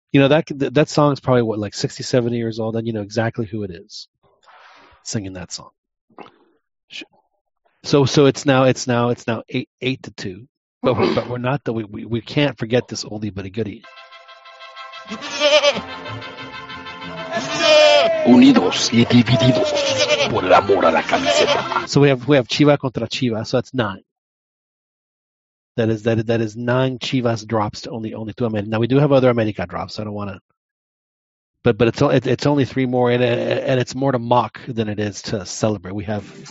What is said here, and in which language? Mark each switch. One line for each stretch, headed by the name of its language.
English: You know, that song is probably, what, like 60, 70 years old, and you know exactly who it is singing that song. So it's now 8-2, but we're not the we can't forget this oldie but a goodie.
Spanish: Unidos y divididos por el amor a la camiseta.
English: So we have Chiva contra Chiva. So that's nine. That is nine Chivas drops to only two America. Now we do have other America drops. So I don't want to. But it's only three more, and it's more to mock than it is to celebrate. We have.